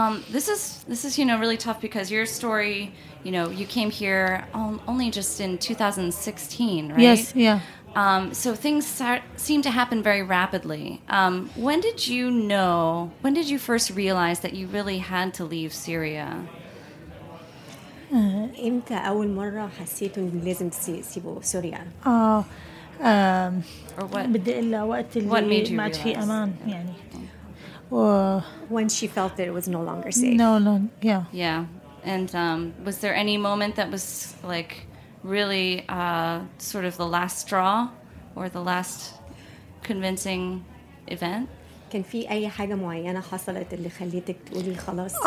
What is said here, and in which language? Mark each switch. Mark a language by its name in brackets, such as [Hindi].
[English] This is you know, really tough because your story, you know, you came here only just in 2016, right? Yes, yeah. So things seem to happen very rapidly. When did you first realize that you really had to leave Syria? [Arabic] إمتى أول مرة حسيت إن لازم تسيبوا سوريا؟ بدي أقول وقت اللي ما عاد في أمان يعني. [English] When she felt that it was no longer safe. Yeah. And was there any moment that was like really sort of the last straw or the last convincing event? [Arabic] كان في أي حاجة معينة حصلت اللي خليتك تقولي خلاص؟